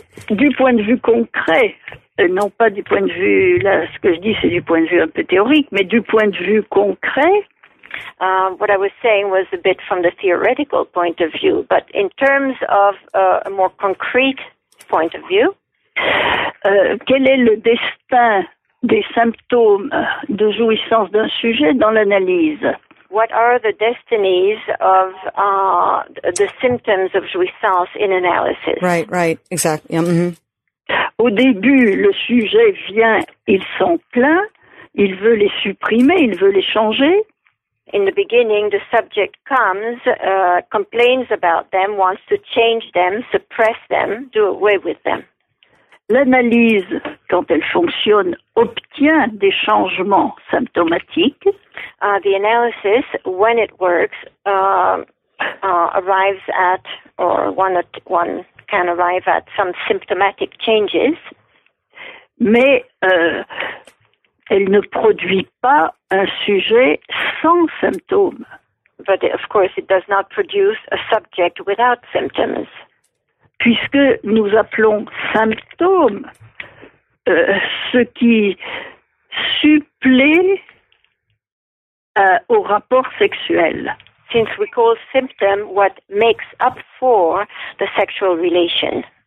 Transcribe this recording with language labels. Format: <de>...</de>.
<fr>Du point de vue concret, non pas du point de vue là, ce que je dis c'est du point de vue un peu théorique, mais du point de vue concret.</fr> <en>What I was saying was a bit from the theoretical point of view, but in terms of a more concrete point of view,</en> <fr>quel est le destin des symptômes de jouissance d'un sujet dans l'analyse?</fr> <en>What are the destinies of the symptoms of jouissance in analysis? Right, exactly. Yeah, mm-hmm.</en> <fr>Au début, le sujet vient, il s'en plaint, il veut les supprimer, il veut les changer.</fr> <en>In the beginning, the subject comes, complains about them, wants to change them, suppress them, do away with them.</en> <fr>L'analyse, quand elle fonctionne, obtient des changements symptomatiques.</fr> <en>The analysis, when it works, arrives at, or one can arrive at, some symptomatic changes.</en> <fr>Mais... elle ne produit pas un sujet sans symptômes.</fr> <en>But of course, it does not produce a subject without symptoms.</en> <fr>Puisque nous appelons symptômes ce qui supplée au rapport sexuel.</fr> <en>Since we call symptom what makes up for the sexual relation.</en>